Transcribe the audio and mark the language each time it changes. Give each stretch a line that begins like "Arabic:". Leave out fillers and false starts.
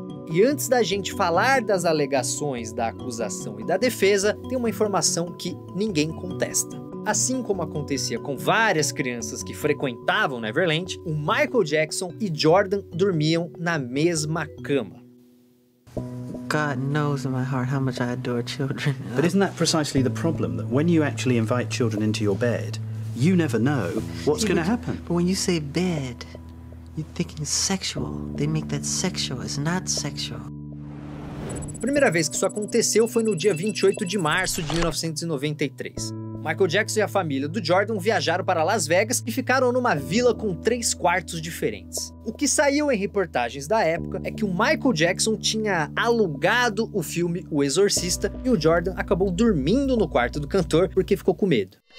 Portuguese: E antes da gente falar das alegações, da acusação e da defesa, tem uma informação que ninguém contesta. Assim como acontecia com várias crianças que frequentavam Neverland, o Michael Jackson e Jordan dormiam na mesma cama.
English: God knows in my heart how much I adore children. But isn't that precisely the problem, that when you actually invite children into your bed, you never know what's going to happen? But when you say bed, you're thinking sexual. They make that sexual. It's not sexual.
Portuguese: A primeira vez que isso aconteceu foi no dia 28 de março de 1993. Michael Jackson e a família do Jordan viajaram para Las Vegas e ficaram numa vila com 3 quartos diferentes. O que saiu em reportagens da época é que o Michael Jackson tinha alugado o filme O Exorcista e o Jordan acabou dormindo no quarto do cantor porque ficou com medo.